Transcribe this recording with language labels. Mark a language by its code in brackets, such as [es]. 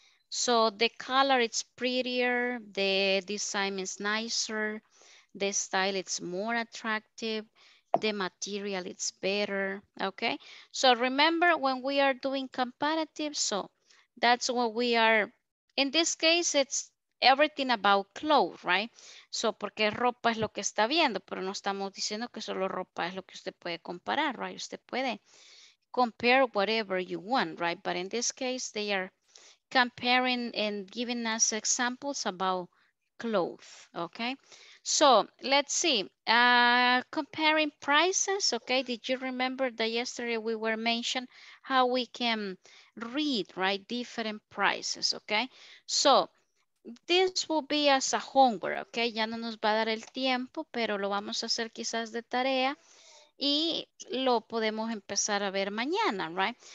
[en] So the color is prettier, the design is nicer, the style it's more attractive, the material it's better, okay? So remember when we are doing comparatives, so that's what we are, in this case, it's everything about clothes, right? [es] So porque ropa es lo que está viendo, pero no estamos diciendo que solo ropa es lo que usted puede comparar, right? Usted puede [en] compare whatever you want, right? But in this case, they are comparing and giving us examples about clothes, okay? So let's see, comparing prices, okay? Did you remember that yesterday we were mentioned how we can read, right? Different prices, okay? So this will be as a homework, okay? [es] Ya no nos va a dar el tiempo, pero lo vamos a hacer quizás de tarea y lo podemos empezar a ver mañana, right?